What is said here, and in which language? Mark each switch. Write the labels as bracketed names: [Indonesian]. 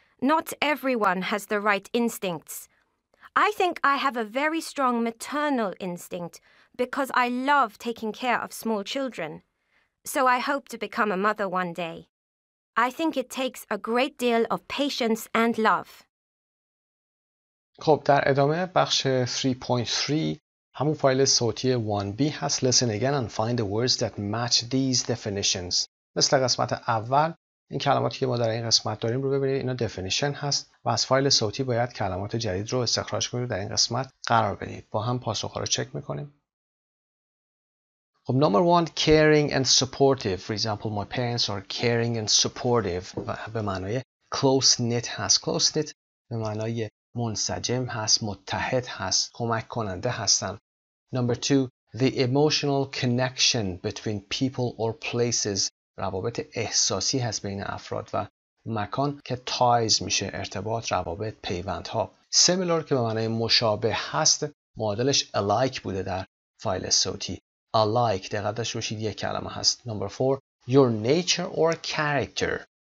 [English] Not everyone has the right instincts. I think I have a very strong maternal instinct because I love taking care of small children. So I hope to become a mother one day. I think it takes a great deal of patience and love. [Persian] خب در ادامه بخش 3.3 همون فایل صوتی 1B هست. [English] Listen again and find the words that match these definitions. [Persian] مثل قسمت اول این کلماتی که ما در این قسمت داریم رو ببینید، اینا definition هست و از فایل صوتی باید کلمات جدید رو استخراج کنید و در این قسمت قرار بدید. با هم پاسخ رو چک میکنیم. [English] خب number 1, caring and supportive. For example, my parents are caring and supportive [Persian] و به معنای [English] close-knit هست. [Persian] Close-knit به معنای منسجم هست، متحد هست، کمک کننده هستن. [English] Number 2, the emotional connection between people or places. [Persian] روابط احساسی هست بین افراد و مکان که ties میشه، ارتباط، روابط، پیوندها. Similar که به معنی مشابه هست، معادلش alike بوده در فایل صوتی. Alike، دقت داشته باشید یک کلمه هست. [English] Number 4, Your nature or character.